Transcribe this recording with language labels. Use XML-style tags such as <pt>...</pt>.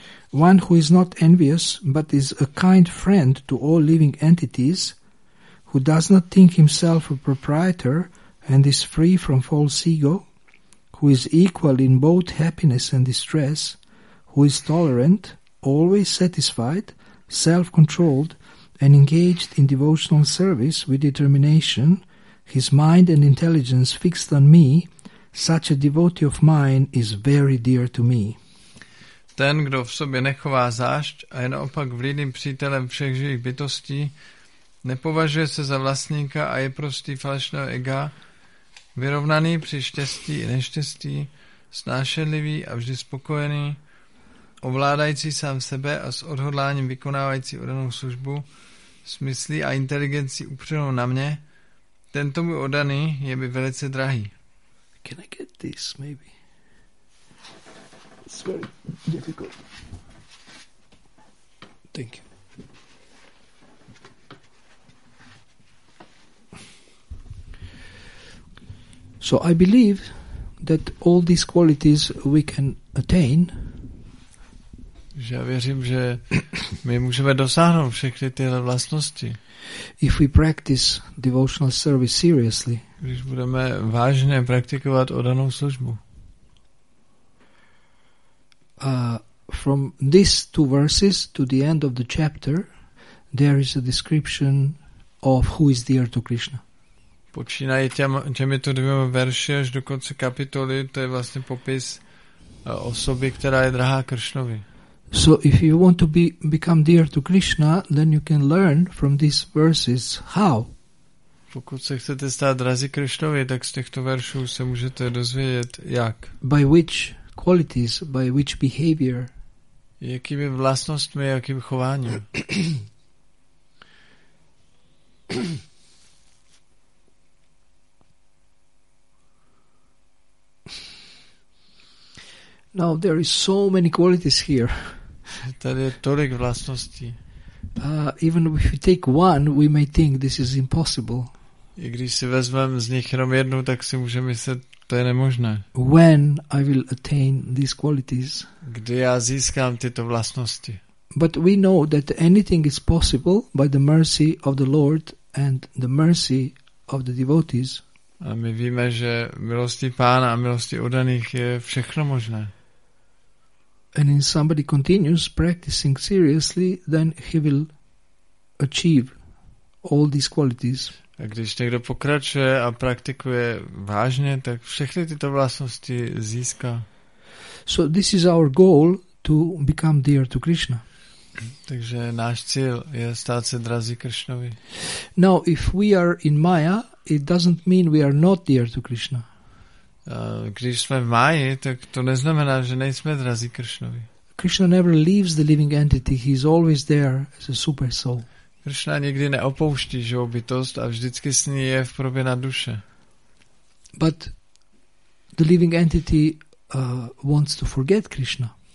<en>One who is not envious but is a kind friend to all living entities, who does not think himself a proprietor and is free from false ego, who is equal in both happiness and distress, who is tolerant, always satisfied, self-controlled, and engaged in devotional service with determination, his mind and intelligence fixed on me, such a devotee of mine is very dear to me.</en> <cs>Ten, kdo v sobě nechová zášť a je naopak vlídným přítelem všech živých bytostí, nepovažuje se za vlastníka a je prostý falešného ega, vyrovnaný při štěstí i neštěstí, snášenlivý a vždy spokojený, ovládající sám sebe a s odhodláním vykonávající oddanou službu, s myslí a inteligencí upřenou na mě, tento můj oddaný je mi velice drahý.</cs> <en>Can I get this, maybe? It's very difficult. Thank you. So I believe that all these qualities we can attain.</en> <cs>Že já věřím, že my můžeme dosáhnout všechny tyhle vlastnosti.</cs> <en>If we practice devotional service seriously.</en> <cs>Když budeme vážně praktikovat oddanou službu.</cs> <en>From these two verses to the end of the chapter, there is a description of who is dear to Krishna.</en> <cs>Počínají těmito dvěma verši až do konce kapitoly, to je vlastně popis osoby, která je drahá Kršnovi.</cs> <en>So if you want to become dear to Krishna, then you can learn from these verses how.</en> <cs>Pokud se chcete stát drazí Kršnovi, tak z těchto veršů se můžete dozvědět jak.</cs> <en>By which qualities, by which behavior.</en> <cs>Jakými vlastnostmi, jakým chováním.</cs> <en>Now there is so many qualities here.</en> <cs>Tady je tolik vlastností.</cs> <en>Even if we take one, we may think this is impossible.</en> <cs>I když si vezmem z nich jenom jednu, tak si můžeme myslet, to je nemožné.</cs> <en>When I will attain these qualities.</en> <cs>Kdy já získám tyto vlastnosti.</cs> <en>But we know that anything is possible by the mercy of the Lord and the mercy of the devotees.</en> <cs>A my víme, že milosti pána a milosti oddaných je všechno možné.</cs> <en>And if somebody continues practicing seriously, then he will achieve all these qualities.</en> <cs>A když někdo pokračuje a praktikuje vážně, tak všechny tyto vlastnosti získá.</cs> <en>So this is our goal, to become dear to Krishna.</en> <cs>Takže náš cíl je stát se drazí Kršnovi.</cs> <en>Now if we are in Maya, it doesn't mean we are not dear to Krishna.</en> <cs>Když jsme v Maji, tak to neznamená, že nejsme drazí Kršnovi.</cs> <en>Krishna never leaves the living entity, he is always there as a super soul.</en> <cs>Krishna nikdy neopouští živou bytost a vždycky s ní je v probě na duše.</cs> <en>But the living entity wants to forget Krishna.</en>